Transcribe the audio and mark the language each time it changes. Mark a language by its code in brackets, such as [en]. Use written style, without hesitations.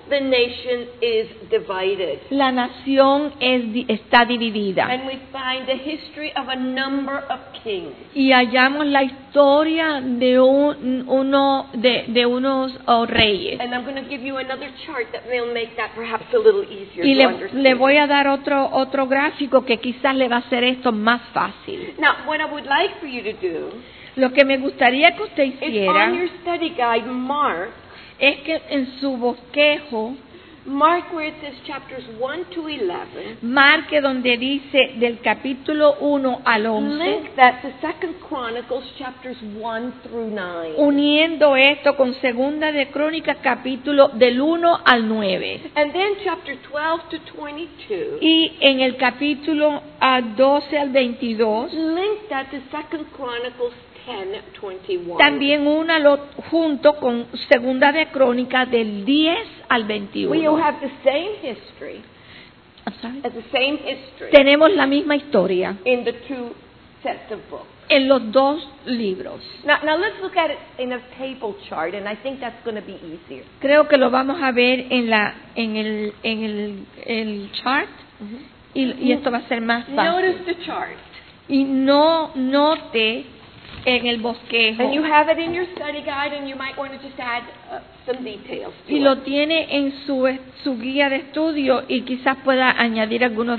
[en] The nation is divided. [es] La nación está dividida. [en] And we find the history of a number of kings. [es] Y hallamos la historia de unos reyes. [en] And I'm going to give you another chart that may make that perhaps a little easier. [es] Y le voy a dar otro gráfico que quizás le va a hacer esto más fácil. [en] Now, what I would like for you to do. [es] Lo que me gustaría que usted hiciera [en] on your study guide, mark, [es] es que en su bosquejo [en] mark where it says chapters 1 to 11, [es] marque donde dice del capítulo 1 al 11, [en] link that to Second Chronicles chapters 1 through 9, [es] uniendo esto con Segunda de Crónicas capítulo del 1 al 9, [en] and then chapter 12 to 22, [es] y en el capítulo 12 al 22, [en] link that to Second Chronicles 10:21. [es] También únalo junto con Segunda de Crónica del 10 al 21. [en] We have the same history. I'm sorry. As the same history. [es] Tenemos la misma historia. [en] In the two sets of books. [es] En los dos libros. [en] Now let's look at it in a table chart, and I think that's going to be easier. [es] Creo que lo vamos a ver en el chart. Y esto va a ser más fácil. [en] Notice the chart. [es] Y no note en el bosquejo. [en] And you have it in your study guide and you might want to just add some details to [es] y lo [en] it. [es] Tiene en su guía de estudio y quizás pueda añadir algunos